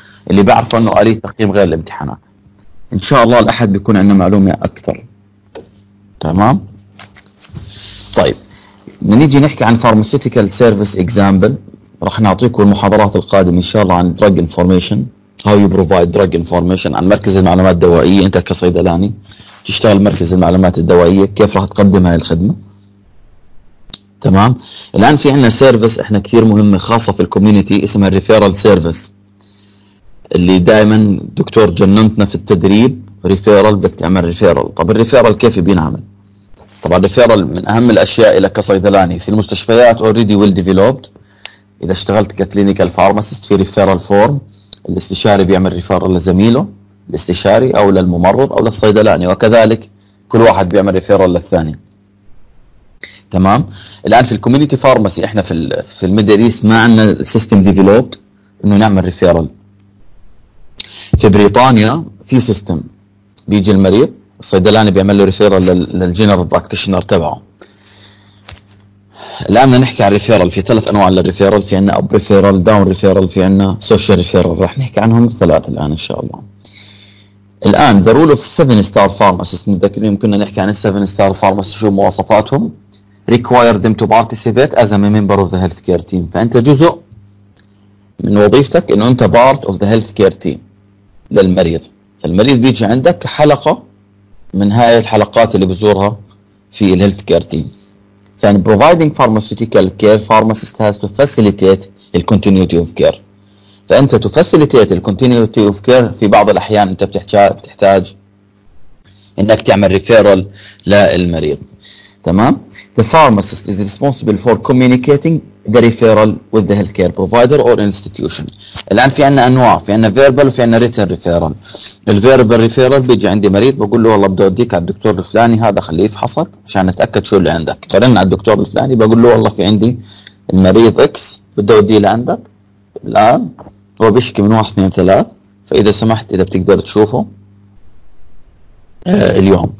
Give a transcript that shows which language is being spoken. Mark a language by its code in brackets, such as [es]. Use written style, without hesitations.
[ar] اللي بعرفه أنه آلية تقييم غير الامتحانات. إن شاء الله الأحد بيكون عندنا معلومة أكثر. تمام؟ طيب نيجي نحكي عن Pharmaceutical Service Example. رح نعطيكم المحاضرات القادمة إن شاء الله عن Drug Information. [en] How you provide drug information عن مركز المعلومات الدوائية. [ar] أنت كصيدلاني تشتغل مركز المعلومات الدوائية كيف راح تقدم هاي الخدمة. تمام. الآن في عنا سيرفيس احنا كثير مهمة خاصة في الكوميونيتي اسمها الريفيرال سيرفيس، اللي دائما دكتور جننتنا في التدريب ريفيرال، بدك تعمل ريفيرال. طب الريفيرال كيف بينعمل؟ طبعا الريفيرال من أهم الأشياء لك كصيدلاني في المستشفيات already well developed. إذا اشتغلت كلينيكال فارماسيست في ريفيرال فورم، الاستشاري بيعمل ريفيرال لزميله الاستشاري او للممرض او للصيدلاني، وكذلك كل واحد بيعمل ريفيرال للثاني. تمام. الان في الكوميونيتي فارماسي احنا في الميدل ايست ما عندنا سيستم ديفلوبد انه نعمل ريفيرال. في بريطانيا في سيستم، بيجي المريض الصيدلاني بيعمل له ريفيرال للجنرال براكتيشنر تبعه. الآن نحكي عن الريفيرال، في ثلاث أنواع للريفيرال، في عنا أب ريفيرال، داون ريفيرال، في عنا سوشيال ريفيرال، راح نحكي عنهم الثلاث الآن إن شاء الله. [en] الآن The Rule of 7 Star Pharmacists، متذكرين كنا نحكي عن 7 Star Pharmacists شو مواصفاتهم؟ Require them to participate as a member of the healthcare team. [ar] فأنت جزء من وظيفتك أنه أنت part of the healthcare team للمريض. المريض بيجي عندك حلقة من هاي الحلقات اللي بزورها في الهيلثكير تيم. [en] فان providing pharmaceutical care pharmacist has to facilitate the continuity of care. [ar] فانت to facilitate the continuity of care في بعض الاحيان انت بتحتاج انك تعمل referral للمريض. تمام. [en] The pharmacist is responsible for communicating the referral with the healthcare provider or institution. [ar] الان في عنا انواع، في عنا verbal وفي عنا written referral. ال verbal referral بيجي عندي مريض بقول له والله بدي اوديك على الدكتور الفلاني، هذا خليه يفحصك عشان نتأكد شو اللي عندك. فرن على الدكتور الفلاني بقول له والله في عندي المريض اكس بدي اوديه لعندك الان، هو بيشكي من 1-2-3، فاذا سمحت اذا بتقدر تشوفه اليوم.